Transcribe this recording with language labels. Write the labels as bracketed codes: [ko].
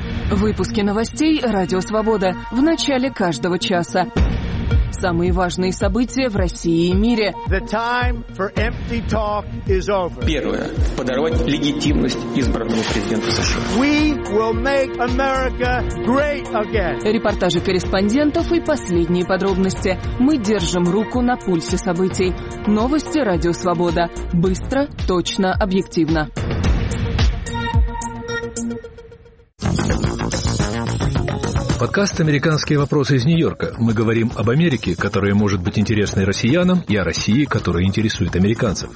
[ru] Выпуски новостей «Радио Свобода» в начале каждого часа. Самые важные события в России и мире. Первое. Подорвать легитимность избранному президенту США. [en] We will make America great again. [ru] Репортажи корреспондентов и последние подробности. Мы держим руку на пульсе событий. Новости «Радио Свобода». Быстро, точно, объективно. Подкаст «Американские вопросы» из Нью-Йорка. Мы говорим об Америке, которая может быть интересной россиянам, и о России, которая интересует американцев.